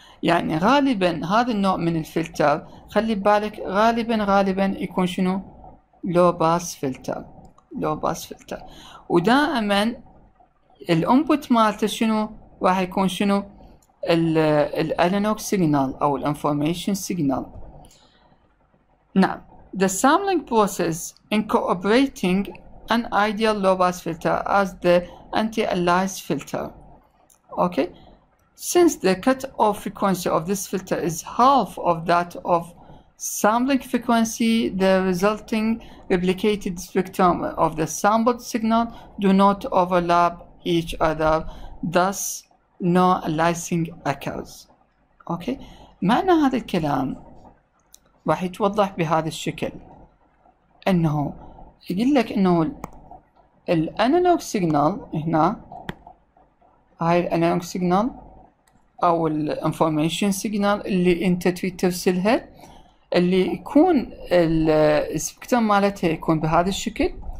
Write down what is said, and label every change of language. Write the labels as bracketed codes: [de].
[ar] يعني غالبا هذا النوع من الفلتر، خلي بالك، غالبا يكون شنو؟ low-pass filter. ودائما الانبوت مالته شنو راح يكون؟ شنو الانالوج سيجنال او الانفورميشن سيجنال. [en] نعم، the sampling process incorporating an ideal low pass filter as the anti-aliased filter. Okay, since the cut-off frequency of this filter is half of that of sampling frequency, the resulting replicated spectrum of the sampled signal do not overlap each other, thus no aliasing occurs. [ar] Okay, معنى هذا الكلام راح يتوضح بهذا الشكل، انه يقول لك انه الانالوج سيجنال هنا، هاي الانالوج سيجنال او الانفورميشن سيجنال اللي انت تريد ترسلها، اللي يكون السبكتر مالتها يكون بهذا الشكل.